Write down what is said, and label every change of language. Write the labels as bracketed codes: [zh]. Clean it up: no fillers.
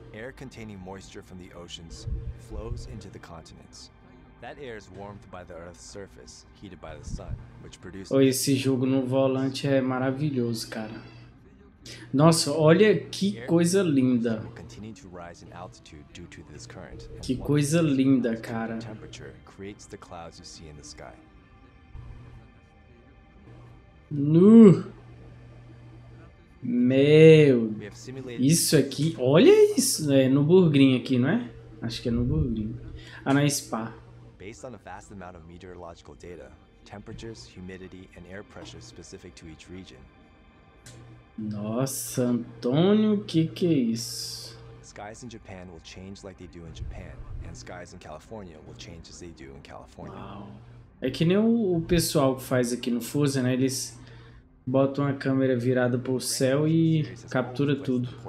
[en] Air containing moisture from the oceans flows into the continents. That air is warmed by the Earth's surface, heated by the sun, which produces... [pt] Oh, esse jogo no volante é maravilhoso, cara. Nossa, olha que coisa linda. [en] Continue to rise in altitude due to this current. [pt] Que coisa linda, cara. [en] Temperature creates the clouds you see in the sky. [pt] Nu. Meu, isso aqui, olha isso, é no Burgrim aqui, não é? Acho que é no Burgrim. Ah, na Spa. [en] Based on a vast amount of meteorological data, temperatures, humidity and air pressure specific to each region. [pt] Nossa, Antônio, que é isso? [en] Skies in Japan will change like they do in Japan, and skies in California will change as they do in California. Wow. [pt] É que nem o pessoal que faz aqui no Forza, né? Eles botam a câmera virada pro céu e captura tudo.